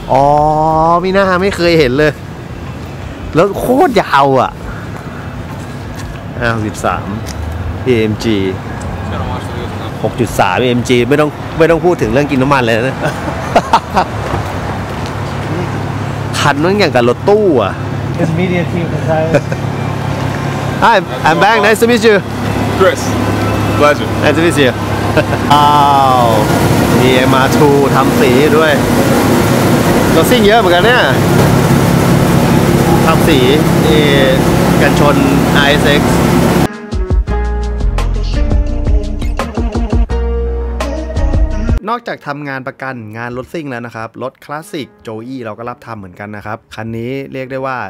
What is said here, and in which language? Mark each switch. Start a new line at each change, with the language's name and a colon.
Thai: อ๋อมีหน้าไม่เคยเห็นเลยแล้วโคตรยาวอ่ะ13 AMG 6.3 AMG ไม่ต้องพูดถึงเรื่องกินน้ำมันเลยนะคันนั้นอย่างกับรถตู้อ่ะ
English: It's media team for time Hi, I'm back, nice to meet you Chris, pleasure Nice to meet you Wow
Thai: มี MR2 ทำสีด้วยรถซิ่งเยอะเหมือนกันเนี่ยทำสีกันชน ISXนอกจากทำงานประกันงานรถซิ่งแล้วนะครับรถคลาสสิกโจอี้เราก็รับทำเหมือนกันนะครับคันนี้เรียกได้ว่า